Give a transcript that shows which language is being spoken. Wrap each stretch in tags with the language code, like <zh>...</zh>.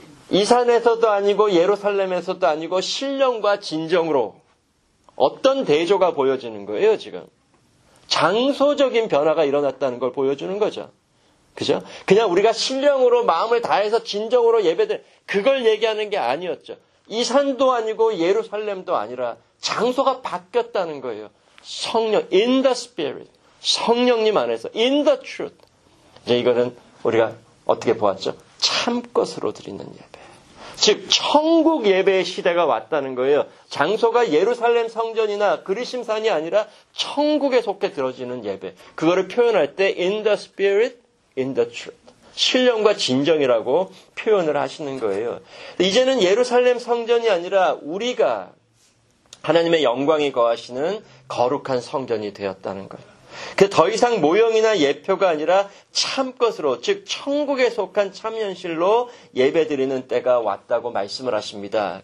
<ko>이 산에서도 아니고 예루살렘에서도 아니고 신령과 진정으로 어떤 대조가 보여지는 거예요, 지금? 장소적인 변화가 일어났다는 걸 보여주는 거죠. 그죠? 그냥 우리가 신령으로 마음을 다해서 진정으로 예배들 그걸 얘기하는 게 아니었죠. 이 산도 아니고 예루살렘도 아니라 장소가 바뀌었다는 거예요. 성령,</ko> <en>in the spirit,</en> <ko>성령님 안에서,</ko> <en>in the truth.</en> <ko>이제 이거는 우리가 어떻게 보았죠? 참것으로 드리는 예배. 즉, 천국 예배의 시대가 왔다는 거예요. 장소가 예루살렘 성전이나 그리심산이 아니라 천국에 속해 들어지는 예배. 그거를 표현할 때</ko> <en>in the spirit, in the truth.</en> <ko>신령과 진정이라고 표현을 하시는 거예요. 이제는 예루살렘 성전이 아니라 우리가 하나님의 영광이 거하시는 거룩한 성전이 되었다는 거예요. 그래서 더 이상 모형이나 예표가 아니라 참것으로, 즉 천국에 속한 참현실로 예배드리는 때가 왔다고 말씀을 하십니다.</ko>